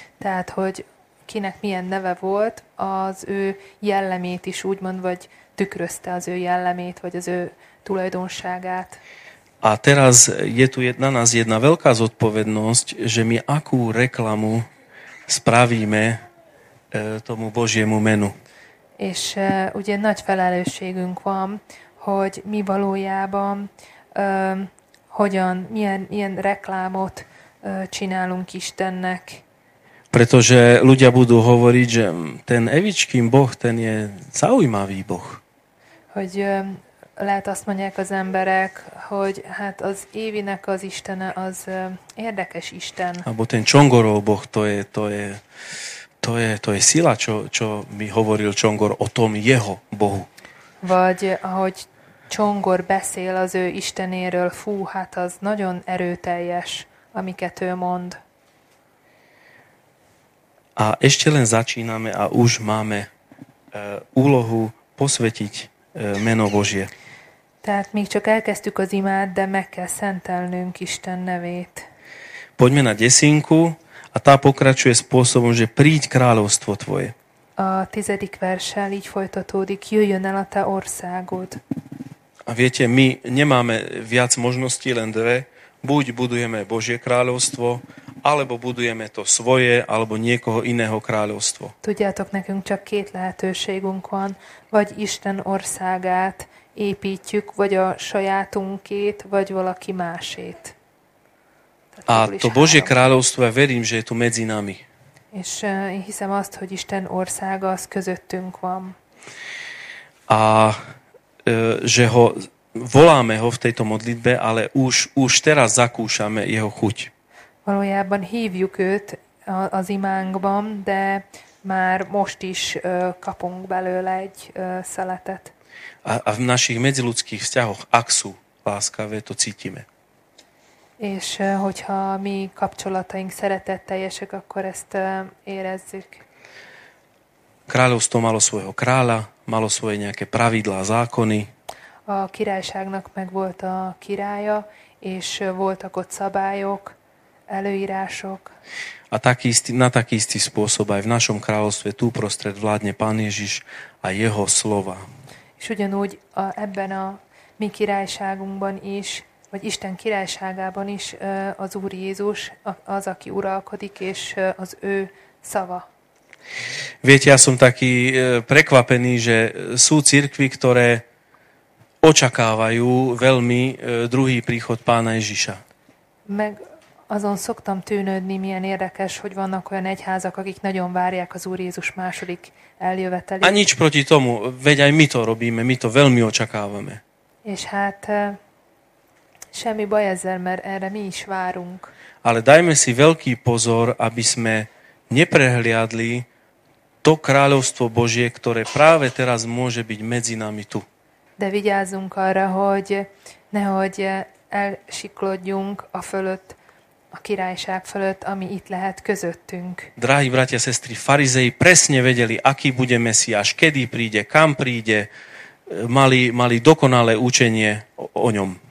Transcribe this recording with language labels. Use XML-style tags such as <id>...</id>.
<hu>Tehát, hogy kinek milyen neve volt, az ő jellemét is úgymond, vagy tükrözte az ő jellemét, vagy az ő tulajdonságát.</hu> <sk>A teraz je tu na nás jedna veľká zodpovednosť, že my akú reklamu spravíme tomu Božiemu menu.</sk> <hu>És ugye nagy felelősségünk van, hogy mi valójában hogyan, milyen reklámot csinálunk Istennek.</hu> <sk>Pretože ľudia budú hovoriť, že ten Evičkin Boh, ten je zaujímavý Boh.</sk> <hu>Hogy lehet azt mondják az emberek, hogy hát az Évinek az Istene az érdekes Isten.</hu> <sk>Abo ten Csongoró Boh, to je sila, čo mi hovoril Csongor o tom jeho Bohu.</sk> <hu>Vagy ahogy Csongor beszél az ő Istenéről, fú, hát az nagyon erőteljes, amiket ő mond.</hu> <sk>A ešte len začíname a už máme úlohu posvetiť meno Božie.</sk> <hu>Tehát még csak elkezdtük az imát, de meg kell szentelnünk Isten nevét.</hu> <sk>Poďme na desinku, a tá pokračuje spôsobom, že príď kráľovstvo tvoje.</sk> <hu>A 10. verssel így folytatódik, jöjjön el a te országod.</hu> <sk>A viete, my nemáme viac možností, len dve. Buď budujeme Božie kráľovstvo, alebo budujeme to svoje, alebo niekoho iného kráľovstvo.</sk> <hu>Tudjátok, nekünk csak két lehetőségünk van, vagy Isten országát építjük, vagy a sajátunkét, vagy valaki másét.</hu> <sk>A to Božie kráľovstvo, ja verím, že je tu medzi nami.</sk> <hu>És én hiszem azt, hogy Isten országa az közöttünk van.</hu> <sk>A že ho voláme ho v tejto modlitbe, ale už teraz zakúšame jeho chuť.</sk> <hu>Valójában hívjuk őt az imánkban, de már most is kapunk belőle egy szeletet.</hu> <sk>A v našich medziľudských vzťahoch, ak sú láskavé, to cítime.</sk> <hu>És hogyha mi kapcsolataink szeretetteljesek, akkor ezt érezzük.</hu> <sk>Kráľovstvo malo svojho kráľa, malo svoje nejaké pravidlá, zákony.</sk> <hu>A királyságnak meg volt a királya, és voltak ott szabályok, előírások.</hu> <sk>A takisti, na takisti spôsob aj v našom kráľovstve tu prostred vládne Pán Ježiš a jeho slova.</sk> <hu>És ugyanúgy ebben a mi királyságunkban is, vagy Isten királyságában is az Úr Jézus az, aki uralkodik, és az ő szava.</hu> <sk>Viete, ja som taký prekvapený, že sú cirkvi, ktoré očakávajú veľmi druhý príchod Pána Ježiša.</sk> <hu>Meg azon szoktam tűnődni, milyen érdekes, hogy vannak olyan egyházak, akik nagyon várják az Úr Jézus második eljövetelét.</hu> <sk>A nič proti tomu, veď aj mi to robíme, mi to veľmi očakávame.</sk> <hu>És hát semmi baj ezzel, mert erre mi is várunk.</hu> <sk>Ale dajme si veľký pozor, aby sme neprehliadli to kráľovstvo Božie, ktoré práve teraz môže byť medzi nami tu.</sk> <hu>De vigyázzunk arra, hogy nehogy elsiklodjunk a fölött, a királyság fölött, ami itt lehet közöttünk.</hu> <sk>Drahí bratia, sestri, farizei presne vedeli, aký bude Mesiáš, kedy príde, kam príde, mali dokonalé učenie o ňom.</sk>